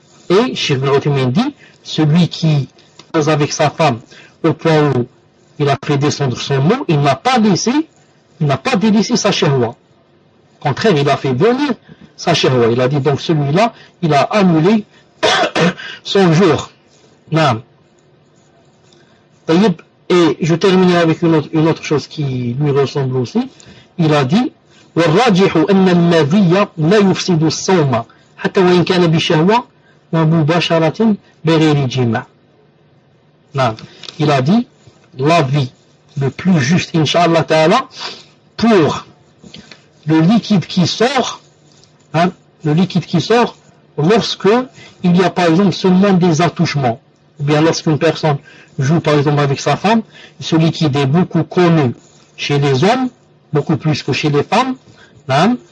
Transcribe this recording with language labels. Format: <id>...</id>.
<fr>Et Cheikh Ibn Uthaymin dit, celui qui est avec sa femme au point où il a fait descendre son mot, il n'a pas délaissé sa shahwa. contraire, il a fait venir sa chahwa. Il a dit donc celui-là, il a annulé son jour. Naam. Tayyib. Et je terminerai avec une autre chose qui lui ressemble aussi.</fr> <ar>Il a dit والراجح أن النبي لا يفسد الصوم حتى وإن كان بشهوة ومباشرة بغير جماع.</ar> <fr>Il a dit l'avis le plus juste, inshallah ta'ala, pour le liquide qui sort, hein, le liquide qui sort lorsque il y a par exemple seulement des attouchements, ou bien lorsqu'une personne joue par exemple avec sa femme, ce liquide est beaucoup connu chez les hommes, beaucoup plus que chez les femmes. Hein?</fr>